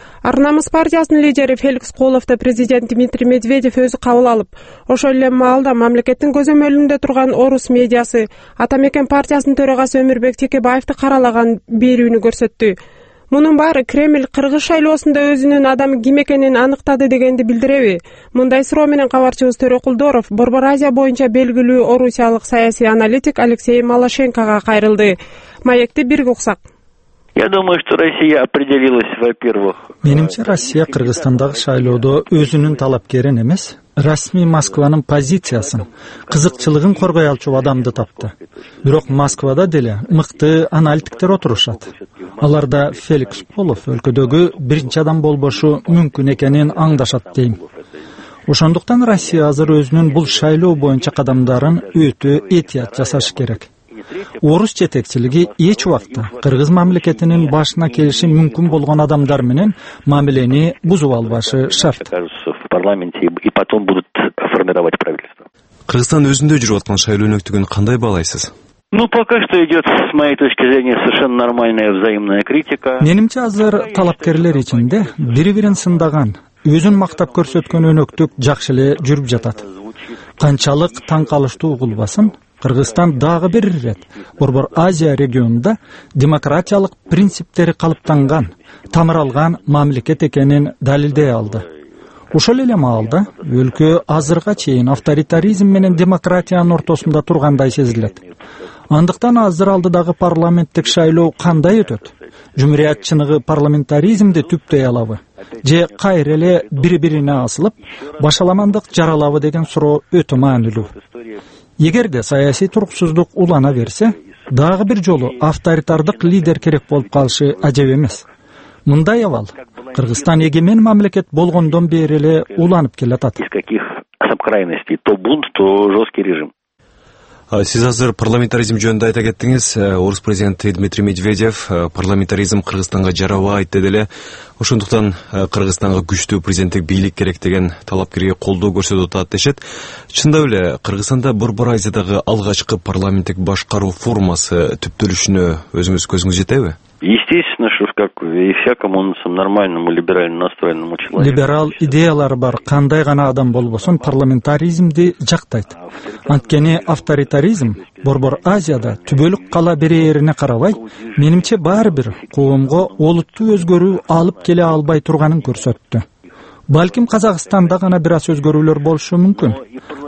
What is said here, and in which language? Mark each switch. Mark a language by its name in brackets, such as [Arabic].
[Kyrgyz] Арнамыз партиясынын лидери Феликс Коловду президент Дмитрий Медведев өзү кабыл алып, ошол эле маалда мамлекеттин көзөмөлүндө турган орус медиасы Атамекен партиясынын төрагасы Өмүрбек Текебаевди каралаган берүүнү көрсөттү. Мунун баары Кремль кыргыз шайлоосунда өзүнүн адам ким экенин аныктады дегенди билдиреби? Мындай суроо менен кабарчыбыз Төрөкулдоров Борбор Азия боюнча белгилүү орусиялык саясий аналитик Алексей Малашенкага кайрылды. Маекти бирге уксак. [Russian] Я думаю, что Россия определилась, во-первых. [Kyrgyz] Менимче Россия Кыргызстандагы шайлоодо өзүнүн талапкерин эмес, расмий Москванын позициясын, кызыкчылыгын коргой алчу адамды тапты. Бирок Москвада деле мыкты аналитиктер отурушат. Аларда Феликс Полов өлкөдөгү биринчи адам болбошу мүмкүн экенин аңдашат дейм. Ошондуктан Россия азыр өзүнүн бул шайлоо боюнча кадамдарын өтө этият жасаш керек. Орус жетекчилиги эч убакта кыргыз мамлекетинин башына келиши мүмкүн болгон адамдар менен мамилени бузуп албашы шарт. Кыргызстан өзүндө жүрүп аткан шайлоо өнөктүгүн кандай баалайсыз? [Russian] Ну, пока что идет, с моей точки зрения, совершенно нормальная взаимная критика. [Kyrgyz] Менимче азыр талапкерлер ичинде бири-бирин сындаган, өзүн мактап көрсөткөн өнөктүк жакшы эле жүрүп жатат. Канчалык таң калыштуу угулбасын, Кыргызстан дагы бир ирет Борбор Азия регионунда демократиялык принциптери калыптанган, тамыр алган мамлекет экенин далилдей алды. Ошол эле маалда өлкө азырга чейин авторитаризм менен демократиянын ортосунда тургандай сезилет. Андыктан азыр алдыдагы парламенттик шайлоо кандай өтөт? Жумурият чыныгы парламентаризмди түптөй алабы? Же кайра эле бири-бирине асылып, башаламандык жаралабы деген суроо өтө маанилүү. Эгерде саясий туруксуздук улана берсе, дагы бир жолу авторитардык лидер керек болуп калышы ажеп эмес. Мындай абал Кыргызстан эгемен мамлекет болгондон бери эле уланып келатат. [Russian] Из каких субкрайностей, то бунт, то жесткий режим. [Kyrgyz] Сиз азыр парламентаризм жөнүндө айта кеттиңиз. Орус президенти Дмитрий Медведев парламентаризм Кыргызстанга жарабайт деди эле. Ошондуктан Кыргызстанга күчтүү президенттик бийлик керек деген талапкерге колдоо көрсөтүп атат дешет. Чындап эле Кыргызстанда Борбор Азиядагы алгачкы парламенттик башкаруу формасы түптөлүшүнө өзүңүз көзүңүз жетеби? [Russian] Естественно, что как и всякому нормальному либерально настроенному человеку. [Kyrgyz] Либерал идеялары бар кандай гана адам болбосун парламентаризмди жактайт. Анткени авторитаризм Борбор Азияда түбөлүк кала берээрине карабай, менимче баары бир коомго олуттуу өзгөрүү алып келе албай турганын көрсөттү. Балким Казакстанда гана бир аз өзгөрүүлөр болушу мүмкүн.